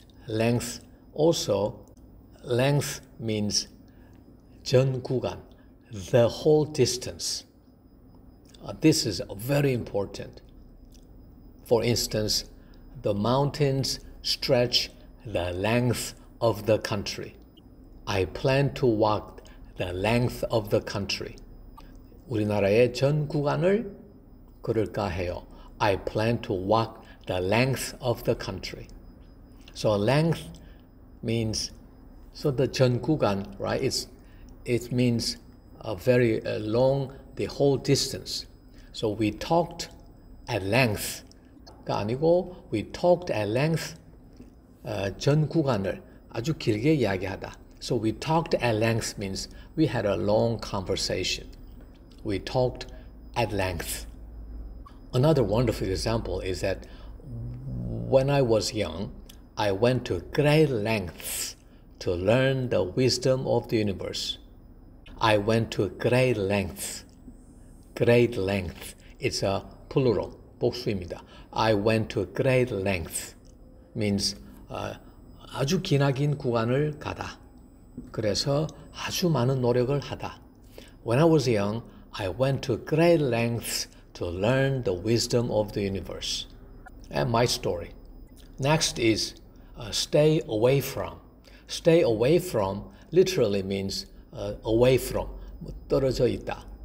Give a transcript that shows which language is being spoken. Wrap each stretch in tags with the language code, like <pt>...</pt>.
<en>Length also, length means</en> <ko>전 구간,</ko> <en>the whole distance. This is very important. For instance, the mountains stretch the length of the country. I plan to walk the length of the country.</en> <ko>우리나라의 전 구간을 걸을까 해요.</ko> <en>I plan to walk the length of the country. So length means, so the</en> <ko>전 구간,</ko> <en>right? It means a very long, the whole distance. So we talked at length.</en> <ko>가 아니고,</ko> <en>we talked at length</en> <ko>전 구간을 아주 길게 이야기하다.</ko> <en>So we talked at length means we had a long conversation. We talked at length. Another wonderful example is that when I was young, I went to great lengths to learn the wisdom of the universe. I went to great lengths. great length. It's a plural,</en> <ko>복수입니다.</ko> <en>I went to a great length means</en> <ko>아주 기나긴 구간을 가다. 그래서 아주 많은 노력을 하다.</ko> <en>When I was young, I went to great lengths to learn the wisdom of the universe. And my story. Next is stay away from. Stay away from literally means away from,</en> <ko>떨어져 있다.</ko>